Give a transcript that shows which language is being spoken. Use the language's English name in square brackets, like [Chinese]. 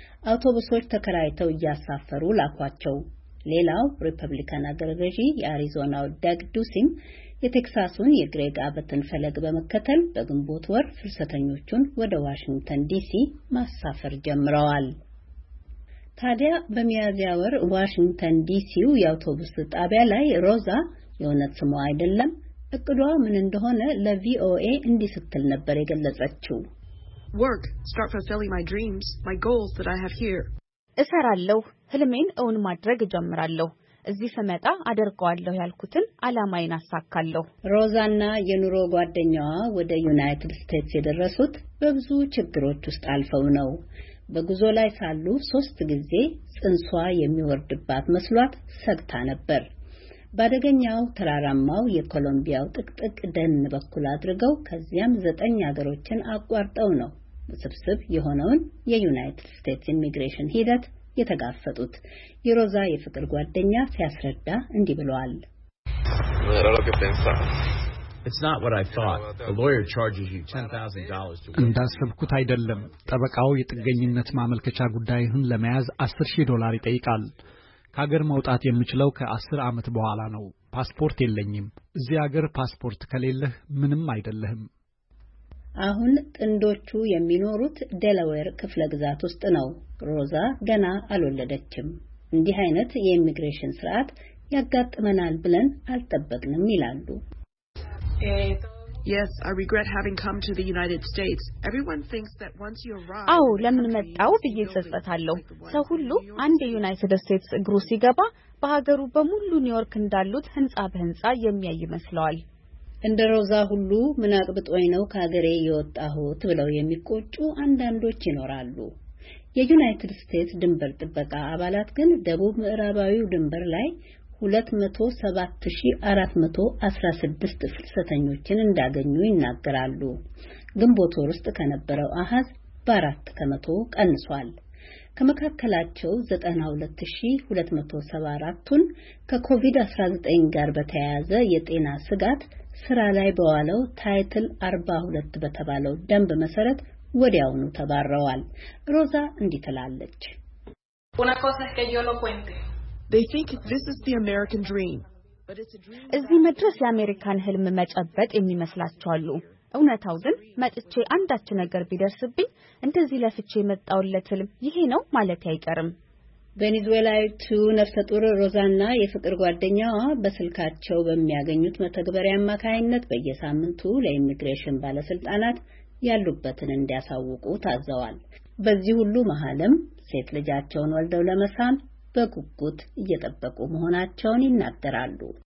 [Amharic] አውቶቡሶች ተከራይተው እያሳፈሩ ላኳቸው። ሌላው ሪፐብሊካን አገረ ገዢ የአሪዞናው ዳግ ዱሲም የቴክሳሱን የግሬግ አበትን ፈለግ በመከተል በግንቦት ወር ፍልሰተኞቹን ወደ ዋሽንግተን ዲሲ ማሳፈር ጀምረዋል። ታዲያ በሚያዝያ ወር ዋሽንግተን ዲሲው የአውቶቡስ ጣቢያ ላይ ሮዛ የእውነት ስሟ አይደለም እቅዷ ምን እንደሆነ ለቪኦኤ እንዲስትል ነበር የገለጸችው። [English] Work, start fulfilling my dreams, my goals that I have here. [Amharic] እሰራለሁ፣ ህልሜን እውን ማድረግ ጀምራለሁ። እዚህ ስመጣ አደርጋለሁ ያልኩትን አላማዬን አሳካለሁ። ሮዛና የኑሮ ጓደኛዋ ወደ ዩናይትድ ስቴትስ የደረሱት በብዙ ችግሮች ውስጥ አልፈው ነው። በጉዞ ላይ ሳሉ 3 ጊዜ ጽንሷ የሚወርድባት መስሏት ሰግታ ነበር። ባደገኛው ተራራማው የኮሎምቢያው ጥቅጥቅ ደን በኩል አድርገው ከዚያም 9 ሀገሮችን አቋርጠው ነው ስብስብ የሆነውን የዩናይትድ ስቴትስ ኢሚግሬሽን ሂደት የተጋፈጡት። የሮዛ የፍቅር ጓደኛ ሲያስረዳ እንዲህ ብለዋል። [English] It's not what I thought. The lawyer charges you $10,000 to [Amharic] እንዳሰብኩት አይደለም። ጠበቃው የጥገኝነት ማመልከቻ ጉዳይህን ለመያዝ $10,000 ይጠይቃል። ከሀገር መውጣት የምችለው ከ10 አመት በኋላ ነው። ፓስፖርት የለኝም። እዚህ ሀገር ፓስፖርት ከሌለህ ምንም አይደለህም። አሁን ጥንዶቹ የሚኖሩት ዴላዌር ክፍለ ግዛት ውስጥ ነው። ሮዛ ገና አልወለደችም። እንዲህ አይነት የኢሚግሬሽን ስርዓት ያጋጥመናል ብለን አልጠበቅንም ይላሉ። [English] Yes, I regret having come to the United States. Everyone thinks that once you arrive, [Amharic] አው ለምን መጣው ብዬ ጸጸታለሁ። ሰው ሁሉ አንድ ዩናይትድ ስቴትስ እግሩ ሲገባ በሀገሩ በሙሉ ኒውዮርክ እንዳሉት ህንጻ በህንጻ የሚያይ መስለዋል። እንደ ሮዛ ሁሉ ምን አቅብጦኝ ነው ከሀገሬ የወጣሁት ብለው የሚቆጩ አንዳንዶች ይኖራሉ። የዩናይትድ ስቴትስ ድንበር ጥበቃ አባላት ግን ደቡብ ምዕራባዊው ድንበር ላይ 207,416 ፍልሰተኞችን እንዳገኙ ይናገራሉ። ግንቦት ወር ውስጥ ከነበረው አሃዝ በ4% ቀንሷል። ከመካከላቸው 92,274ቱን ከኮቪድ-19 ጋር በተያያዘ የጤና ስጋት ስራ ላይ በዋለው ታይትል 42 በተባለው ደንብ መሰረት ወዲያውኑ ተባረዋል። ሮዛ እንዲትላለች። [Spanish] Una cosa es que yo lo cuente. [English] They think this is the American dream. But it's a dream. [Amharic] እዚህ መድረስ የአሜሪካን ህልም መጨበጥ የሚመስላችኋል? እውነታው ግን መጥቼ አንዳች ነገር ቢደርስብኝ እንደዚህ ለፍቼ መጣውለት ህልም ይሄ ነው ማለት አይቀርም። ቬኔዙዌላዊቱ ነፍሰ ጡር ሮዛና የፍቅር ጓደኛዋ በስልካቸው በሚያገኙት መተግበሪያ አማካይነት በየሳምንቱ ለኢሚግሬሽን ባለስልጣናት ያሉበትን እንዲያሳውቁ ታዘዋል። በዚህ ሁሉ መሃልም ሴት ልጃቸውን ወልደው ለመሳም በጉጉት እየጠበቁ መሆናቸውን ይናገራሉ።